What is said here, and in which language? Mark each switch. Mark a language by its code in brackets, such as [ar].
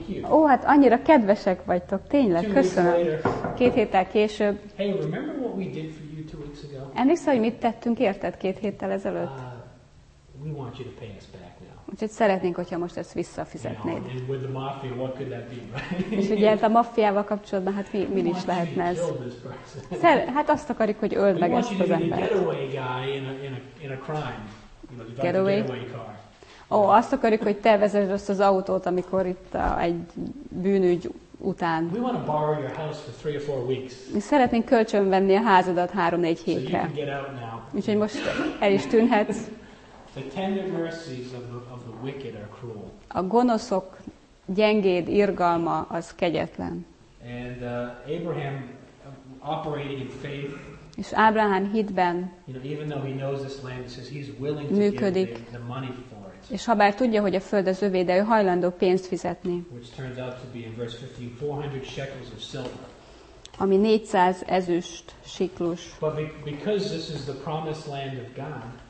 [hu] Ó, hát annyira kedvesek vagytok, tényleg, köszönöm. Két héttel később. [en] Hey, remember what we did for you 2 weeks ago? [hu] Emlékszel, hogy mit tettünk érted 2 héttel ezelőtt? [en] We want you to pay us back. [hu] Úgyhogy szeretnénk, hogyha most ezt visszafizetnéd. [en] You know, mafia, what could that be, right? [hu] És ugye a maffiával kapcsolatban, hát mi is lehetne ez? Hát azt akarjuk, hogy öld meg ezt az embert. [en] Getaway guy in a crime. Getaway car. [hu] Azt akarjuk, hogy te vezesd azt az autót, amikor itt egy bűnügy után. [en] We want to borrow your house for 3 or 4 weeks. [hu] Mi szeretnénk kölcsönvenni a házadat 3-4 hétre. Úgyhogy most el is tűnhetsz. [en] The tender mercies of the wicked are cruel. [hu] A gonoszok gyengéd irgalma az kegyetlen. [en] And Abraham operating in faith. [hu] És Ábrahám hitben. [en] You know, even though he knows this land, he says he's willing to [hu] működik, [en] give the money for it. [hu] És habár tudja, hogy a föld az övé, de ő hajlandó pénzt fizetni. [en] Which turns out to be in verse 15, 400 shekels of silver. [hu] Ami 400 ezüst siklus. [en] But because this is the promised land of God.